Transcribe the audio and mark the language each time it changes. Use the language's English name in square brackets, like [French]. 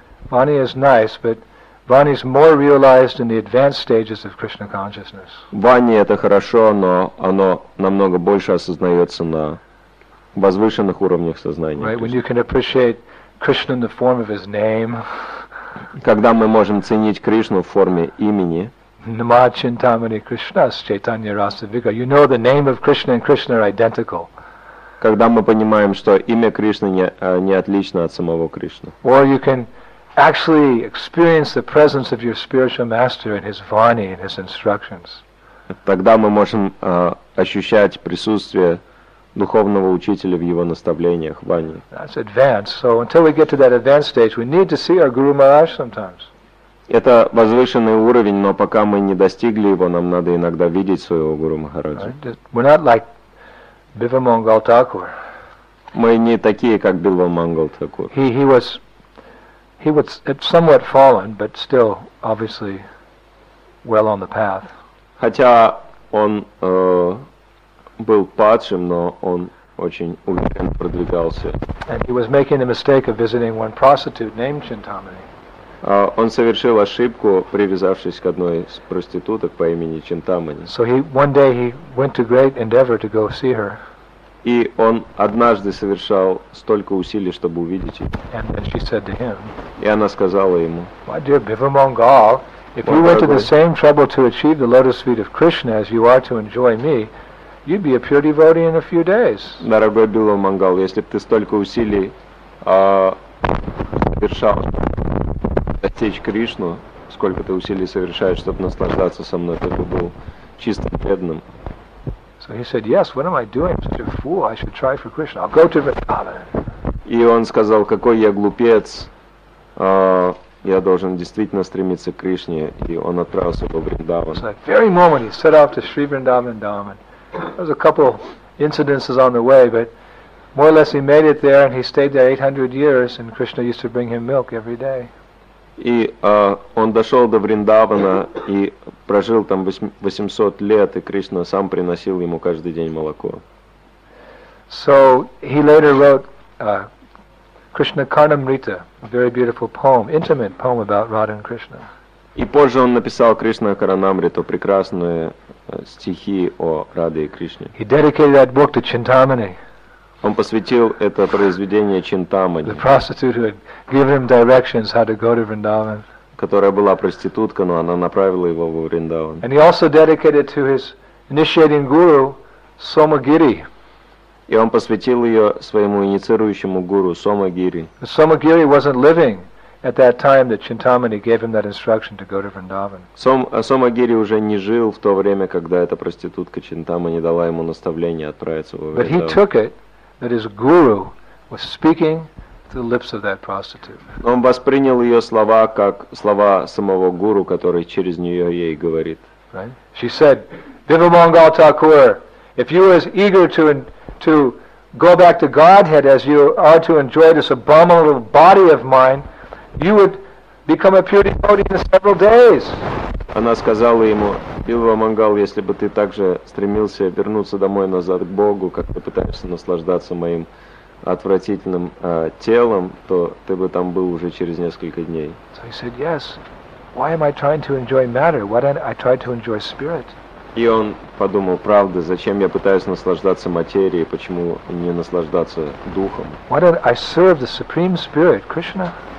[English] Vani is nice, but Vani is more realized in the advanced stages of Krishna consciousness. [Russian] Vani это хорошо, но оно намного больше осознается на возвышенных уровнях сознания. [English] Right? When you can appreciate Krishna in the form of his name. [Russian] Когда мы можем ценить Кришну в форме имени. [Sanskrit] Нама Чинтамани Кришна Чайтанья Раса Вигра. [English] You know the name of Krishna and Krishna are identical. [Russian] Когда мы понимаем, что имя Кришны не отлично от самого Кришны. [English] Or you can actually experience the presence of your spiritual master in his vani and his instructions. [Russian] Тогда мы можем ощущать присутствие духовного учителя в его наставлениях, вани. [English] That's advanced. So until we get to that advanced stage, we need to see our Guru Maharaj sometimes. [Russian] Это возвышенный уровень, но пока мы не достигли его, нам надо иногда видеть своего Гуру Махараджа. [English] We're not like Biva Mangal Thakur. [Russian] Мы не такие, как Бива Мангал Такур. [English] He was somewhat fallen, but still obviously well on the path. [Russian] Хотя он был падшим, но он очень уверенно продвигался. [English] And he was making the mistake of visiting one prostitute named Chintamani. [Russian] Он совершил ошибку, привязавшись к одной из проституток по имени Чинтамани. [English] So he one day he went to great endeavor to go see her. [Russian] И он однажды совершал столько усилий, чтобы увидеть ее. [English] And then she said to him. [Russian] И она сказала ему. [English] My dear Bivamangal, if you went to the same trouble to achieve the lotus feet of Krishna as you are to enjoy me, you'd be a pure devotee in a few days. [Russian] Дорогой Бивамангал, если бы ты столько усилий совершал достичь Кришну, сколько ты усилий совершаешь, чтобы наслаждаться со мной, ты бы был чистым преданным. [English] So he said, yes, what am I doing? Such a fool, I should try for Krishna. I'll go to Vrindavan. [Russian] И он сказал, какой я глупец, я должен действительно стремиться к Кришне, и он отправился во Вриндаван. [English] So at the very moment he set off to Sri Vrindavan Dham. There was a couple incidences on the way, but more or less he made it there and he stayed there 800 years and Krishna used to bring him milk every day. [Russian] И он дошел до Вриндавана и прожил там 800 лет, и Кришна сам приносил ему каждый день молоко. [English] So he later wrote Krishna Karnamrita, a very beautiful poem, intimate poem about Radha and Krishna. [Russian] И позже он написал Кришна Каранамриту, прекрасные стихи о Раде и Кришне. [English] He dedicated that book to Chintamani. [Russian] Он посвятил это произведение Чинтамани. [English] The prostitute who had given him directions how to go to Vrindavan. [Russian] Которая была проститутка, но она направила его в Вриндаван. [English] And he also dedicated to his initiating guru Somagiri. [Russian] И он посвятил ее своему инициирующему гуру Сомагири. [English] Somagiri wasn't living at that time that Chintamani gave him that instruction to go to Vrindavan. [Russian] Сомагири уже не жил в то время, когда эта проститутка Чинтамани дала ему наставление отправиться во Вриндаван. [English] But he took it. That his guru was speaking through the lips of that prostitute. [Russian] Он воспринял ее слова как слова самого гуру, который через нее ей говорит. [English] Right? She said, "Bivamangal Thakur, if you were as eager to go back to Godhead as you are to enjoy this abominable body of mine, you would become a pure devotee in several days." [Russian] Она сказала ему, Билва Мангал, если бы ты также стремился вернуться домой назад к Богу, как ты пытаешься наслаждаться моим отвратительным телом, то ты бы там был уже через несколько дней. [English] So he said, yes. Why am I trying to enjoy matter? Why don't I try to enjoy spirit? [Russian] И он подумал, правда, зачем я пытаюсь наслаждаться материей, почему не наслаждаться духом? [English] Why don't I serve the Supreme Spirit, Krishna?